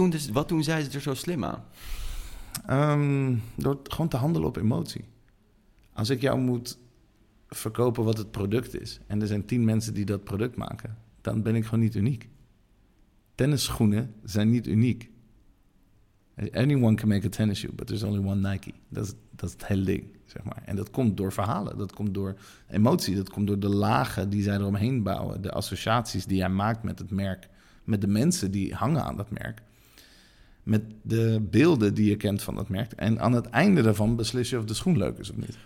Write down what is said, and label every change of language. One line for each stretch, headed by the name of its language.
Dutch: wat doen zij er zo slim aan? Door gewoon te handelen op emotie. Als ik jou moet verkopen wat het product is, en er zijn 10 mensen die dat product maken, dan ben ik gewoon niet uniek. Tennisschoenen zijn niet uniek.
English: Anyone can make a tennis shoe, but there's only one Nike.
Dutch: Dat is het hele ding, zeg maar. En dat komt door verhalen, dat komt door emotie, dat komt door de lagen die zij eromheen bouwen, de associaties die jij maakt met het merk, met de mensen die hangen aan dat merk, met de beelden die je kent van dat merk. En aan het einde daarvan beslis je of de schoen leuk is of niet.